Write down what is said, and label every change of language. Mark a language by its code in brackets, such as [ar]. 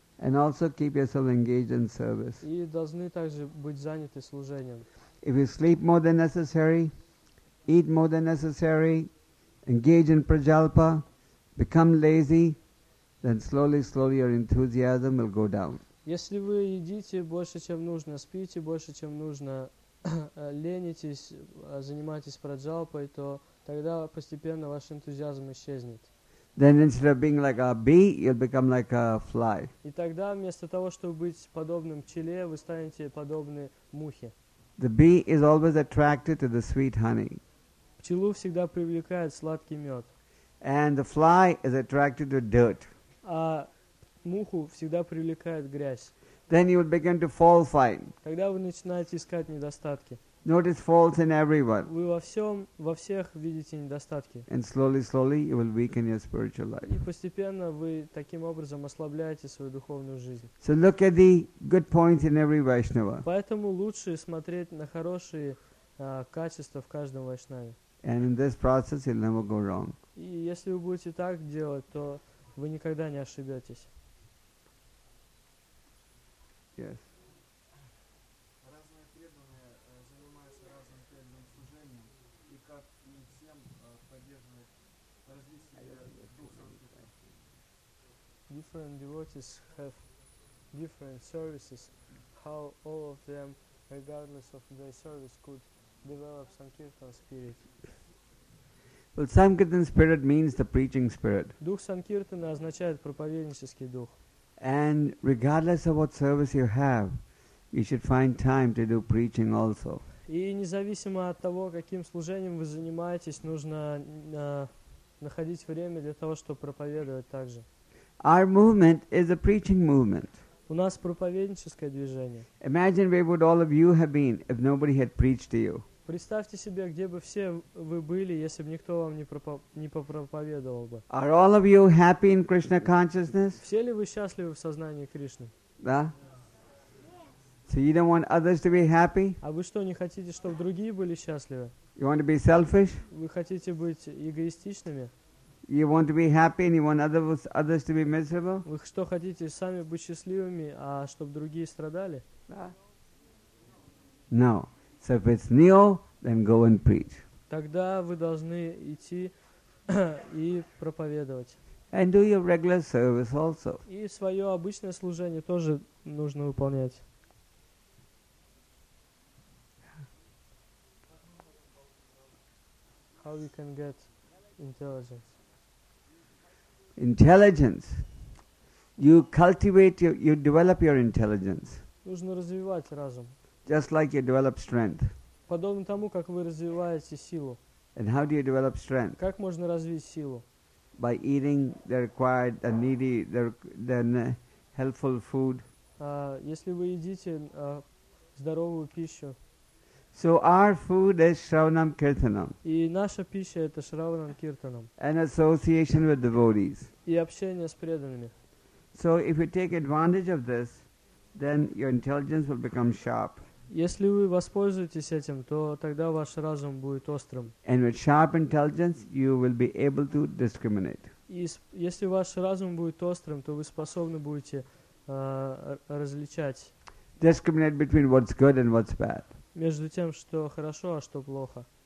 [en] And also keep yourself engaged in service. [ru] И должны также быть заняты служением. [en] If you sleep more than necessary, eat more than necessary, engage in prajalpa, become lazy, then slowly, slowly your enthusiasm will go down. [ru] Если вы едите больше, чем нужно, спите больше, чем нужно, ленитесь, занимаетесь праджалпой, то тогда постепенно ваш энтузиазм исчезнет. [en] Then instead of being like a bee, you'll become like a fly. [ru] И тогда вместо того, чтобы быть подобным пчеле, вы станете подобны мухе. [en] The bee is always attracted to the sweet honey. [ru] Пчелу всегда привлекает сладкий мед. [en] And the fly is attracted to dirt. [ru] А муху всегда привлекает грязь. [en] Then you will begin to fall fine. [ru] Тогда вы начинаете искать недостатки. [en] Notice faults in everyone. [ru] Вы во всем, во всех видите недостатки. [en] And slowly, slowly you will weaken your spiritual life. [ru] И постепенно вы таким образом ослабляете свою духовную жизнь. [en] So look at the good points in every Vaishnava. [ru] Поэтому лучше смотреть на хорошие качества в каждом вайшнаве. [en] And in this process you'll never go wrong. [ru] И если вы будете так делать, то вы никогда не ошибетесь. [en] Yes. Different devotees have different services. How all of them, regardless of their service, could develop Sankirtan spirit? Well, Sankirtan spirit means the preaching spirit. [ru] Дух Санкиртана означает проповеднический дух. [en] And regardless of what service you have, you should find time to do preaching also. [ru] И независимо от того, каким служением вы занимаетесь, нужно находить время для того, чтобы проповедовать также. [en] Our movement is a preaching movement. [ru] У нас проповедническое движение. [en] Imagine where would all of you have been if nobody had preached to you. [ru] Представьте себе, где бы все вы были, если бы никто вам не проповедовал бы. [en] Are all of you happy in Krishna consciousness? [ru] Все ли вы счастливы в сознании Кришны? Да. [en] So you don't want others to be happy? [ru] А вы что, не хотите, чтобы другие были счастливы? [en] You want to be selfish? [ru] Вы хотите быть эгоистичными? [en] You want to be happy and you want others to be miserable? [ru] Вы что, хотите сами быть счастливыми, а чтобы другие страдали? Да. [en] No. So if it's new, then go and preach. [ru] Тогда вы должны идти и проповедовать. [en] And do your regular service also. [ru] И свое обычное служение тоже нужно выполнять. [en] How we can get intelligence? Intelligence. You cultivate, you develop your intelligence. [ru] Нужно развивать разум. [en] Just like you develop strength. [ru] Подобно тому, как вы развиваете силу. [en] And how do you develop strength? [ru] Как можно развить силу? [en] By eating the required, the needy, the helpful food. [ru] Если вы едите здоровую пищу. [en] So our food is Shravanam Kirtanam. [ru] И наша пища это Shravanam Kirtanam. [en] And association with devotees. [ru] И общение с преданными. [en] So if you take advantage of this, then your intelligence will become sharp. [ru] Если вы воспользуетесь этим, то тогда ваш разум будет острым. [en] And with sharp intelligence, you will be able to discriminate. [ru] И если ваш разум будет острым, то вы способны будете различать. [en] Discriminate between what's good and what's bad. [ru] Между тем, что хорошо, а что плохо.